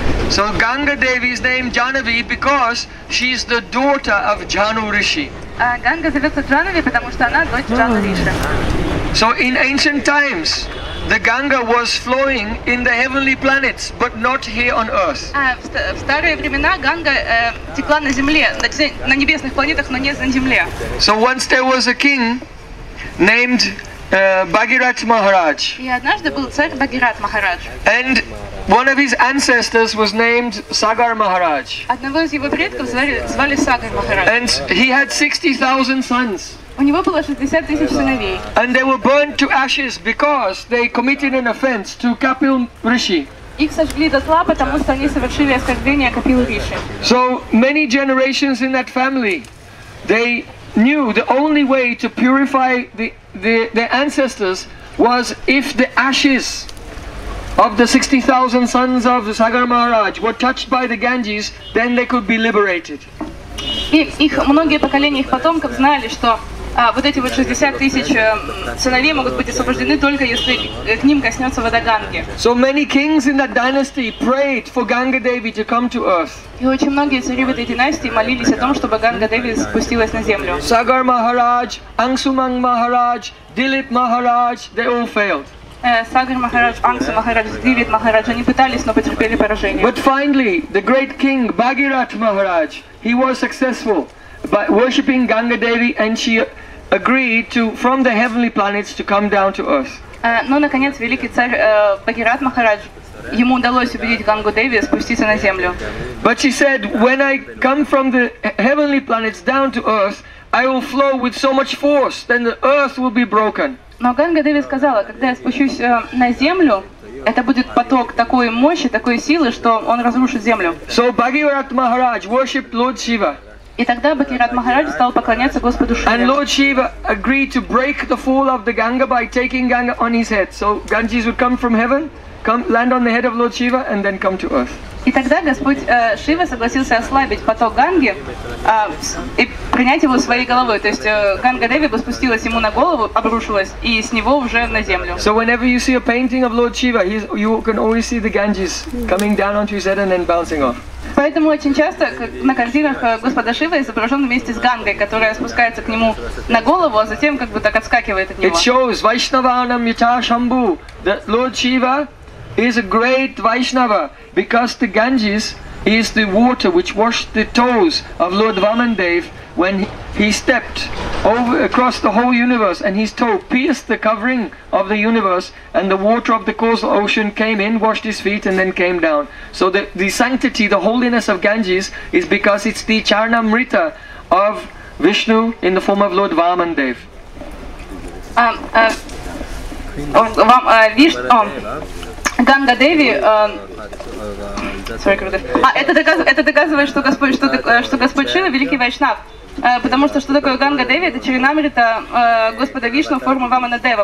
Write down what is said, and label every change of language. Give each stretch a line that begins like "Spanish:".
English: So Ganga Devi is named Janavi because she is the daughter of Janu Rishi.
Russian: Ганга зовется Джанави, потому что она дочь Джану Риши.
English: So in ancient times, the Ganga was flowing in the heavenly planets, but not here on earth.
Russian: В старые времена Ганга текла на земле, на небесных планетах, но не на земле.
English: So once there was a king named Bhagirath Maharaj.
Russian: И однажды был царь Бхагират Махарадж.
English: And one of his ancestors was named Sagar Maharaj.
Russian: Одного из его предков звали Сагар Махарадж.
English: And he had 60,000 sons.
Russian: У него было 60 тысяч сыновей.
English: And they were burned to ashes because they committed an offense to Kapil Rishi.
Russian: Их сожгли дотла, потому что они совершили оскорбление Капилу Риши.
English: So many generations in that family, they knew the only way to purify their ancestors was if the ashes of the 60,000 sons of the Sagar Maharaj were touched by the Ganges, then they could be liberated.
Russian: Их многие поколения, их потомков знали, что вот эти вот 60 тысяч сыновей могут быть освобождены только если к ним коснется вода Ганги.
English: So many kings in that dynasty prayed for Ganga Devi to come to earth.
Russian: И очень многие цари в этой династии молились о том, чтобы Ганга Деви спустилась на землю.
English: Sagar Maharaj, Ansuman Maharaj, Dilip Maharaj, they all failed.
Russian: Сагар Махарадж, Ансу Махарадж, Дилит Махарадж, они пытались, но потерпели поражение.
English: But finally, the great king Bhagirath Maharaj, he was successful by worshipping Ganga Devi, and she agreed to from the heavenly planets to come down to earth.
Russian: Но наконец великий царь Бхагират Махарадж, ему удалось убедить Гангу Деви спуститься на землю.
English: But she said, when I come from the heavenly planets down to earth, I will flow with so much force, then the earth will be broken.
Russian: Но Ганга Деви сказала, когда я спущусь на землю, это будет поток такой мощи, такой силы, что он разрушит землю.
English: So Bhagirath Maharaj worshipped Lord Shiva.
Russian: И тогда Бхагират Махарадж стал поклоняться Господу Шиве.
English: And Lord Shiva agreed to break the fall of the Ganga by taking Ganga on his head. So Ganges would come from heaven, come land on the head of Lord Shiva, and then come to earth.
Russian: И тогда Господь Шива согласился ослабить поток Ганги и принять его своей головой. То есть Ганга Деви бы спустилась ему на голову, обрушилась, и с него уже на землю.
English: So whenever you see a painting of Lord Shiva, you can always see the Ganges coming down onto his head and then bouncing off.
Russian: Поэтому очень часто на картинах Господа Шива изображен вместе с Гангой, которая спускается к нему на голову, а затем как бы так отскакивает от него.
English: It shows Vaishnavanam Yata Shambhu, that Lord Shiva is a great Vaishnava, because the Ganges is the water which washed the toes of Lord Vamandev when he stepped over across the whole universe, and his toe pierced the covering of the universe, and the water of the causal ocean came in, washed his feet, and then came down. So the sanctity, the holiness of Ganges is because it's the Charanamrita of Vishnu in the form of Lord Vamandev.
Russian: Ганга Деви, это доказывает, что Господь Шива великий вайшнав. Потому что что такое Ганга Деви? Это чаринамрита Господа Вишну в форме Вамана Дева.